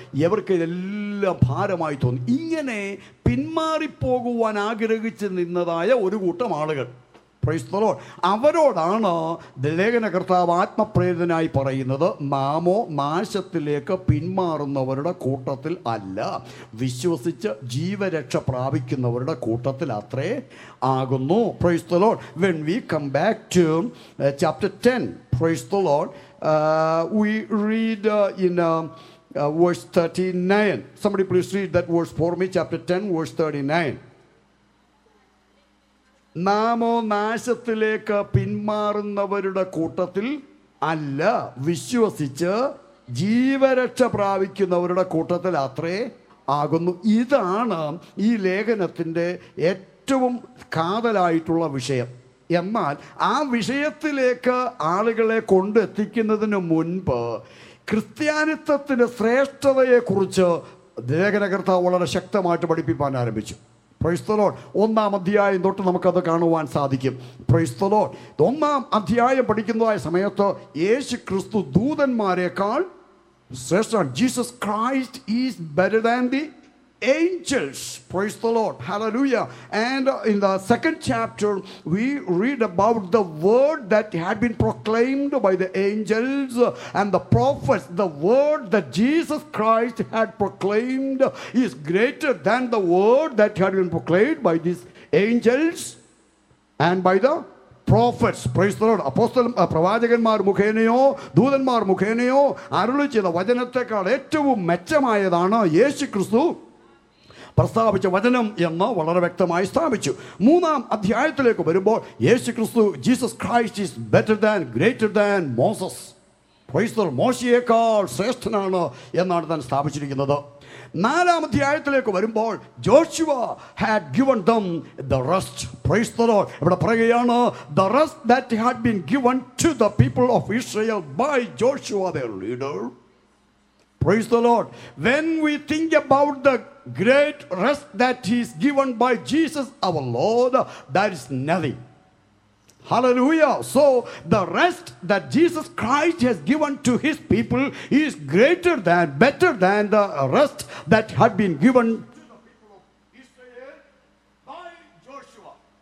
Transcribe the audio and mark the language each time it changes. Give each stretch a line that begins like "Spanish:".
Malayalam: ഇവർക്ക് ഇതെല്ലാം ഭാരമായി തോന്നി. ഇങ്ങനെ പിന്മാറിപ്പോകുവാൻ ആഗ്രഹിച്ച് നിന്നതായ ഒരു കൂട്ടം ആളുകൾ,
English: praise the Lord,
Malayalam: അവരോടാണ് ലേഖന കർത്താവ് ആത്മപ്രേരിതനായി പറയുന്നത്, നാമോ നാശത്തിലേക്ക് പിന്മാറുന്നവരുടെ കൂട്ടത്തിൽ അല്ല, വിശ്വസിച്ച് ജീവരക്ഷ പ്രാപിക്കുന്നവരുടെ കൂട്ടത്തിൽ അത്രേ ആകുന്നു. Praise the Lord.
English: When we come back to chapter 10, praise the Lord, we read in verse 39. Somebody please read that verse for me, chapter 10, verse 39.
Malayalam: നാമോ നാശത്തിലേക്ക് പിന്മാറുന്നവരുടെ കൂട്ടത്തിൽ അല്ല, വിശ്വസിച്ച് ജീവരക്ഷ പ്രാപിക്കുന്നവരുടെ കൂട്ടത്തിൽ അത്രേ ആകുന്നു. ഇതാണ് ഈ ലേഖനത്തിൻ്റെ ഏറ്റവും കാതലായിട്ടുള്ള വിഷയം. എന്നാൽ ആ വിഷയത്തിലേക്ക് ആളുകളെ കൊണ്ടെത്തിക്കുന്നതിന് മുൻപ് ക്രിസ്ത്യാനിത്വത്തിൻ്റെ ശ്രേഷ്ഠതയെക്കുറിച്ച് ലേഖനകർത്താവ് വളരെ ശക്തമായിട്ട് പഠിപ്പിക്കാൻ ആരംഭിച്ചു.
English: Praise the Lord.
Malayalam: ഒന്നാം അധ്യായം തൊട്ട് നമുക്കത് കാണുവാൻ സാധിക്കും.
English: Praise the Lord.
Malayalam: ഒന്നാം അധ്യായം പഠിക്കുന്നതായ സമയത്ത് യേശു ക്രിസ്തു ദൂതന്മാരെക്കാൾ ശ്രേഷ്ഠമാണ്.
English: Jesus Christ is better than the angels. Praise the Lord. Hallelujah. And in the second chapter, we read about the word that had been proclaimed by the angels and the prophets. The word that Jesus Christ had proclaimed is greater than the word that had been proclaimed by these angels and by the prophets. Praise the Lord.
Malayalam: അപ്പോസ്തല പ്രവാചകന്മാർ മുഖേനയോ ദൂതന്മാർ മുഖേനയോ അരുളി ചെയ്ത വചനത്തെക്കാൾ ഏറ്റവും മെച്ചമായതാണ് യേശു ക്രിസ്തു പ്രസ്താവിച്ച വചനം എന്ന് വളരെ വ്യക്തമായി സ്ഥാപിച്ചു. മൂന്നാം അധ്യായത്തിലേക്ക് വരുമ്പോൾ യേശു ക്രിസ്തു,
English: Jesus Christ is better than, greater than Moses. Praise the Lord.
Malayalam: മോശയേക്കാൾ ശ്രേഷ്ഠനാണ് എന്നാണ് താൻ സ്ഥാപിച്ചിരിക്കുന്നത്. നാലാം അധ്യായത്തിലേക്ക് വരുമ്പോൾ
English: Joshua had given them the rest. Praise the Lord.
Malayalam: ഇവിടെ പറയുകയാണ്,
English: The rest that had been given to the people of Israel by Joshua the leader. Praise the Lord. When we think about the great rest that is given by Jesus our Lord, that is nothing. Hallelujah. So the rest that Jesus Christ has given to his people is greater than, better than the rest that had been given to the people of Israel by Joshua.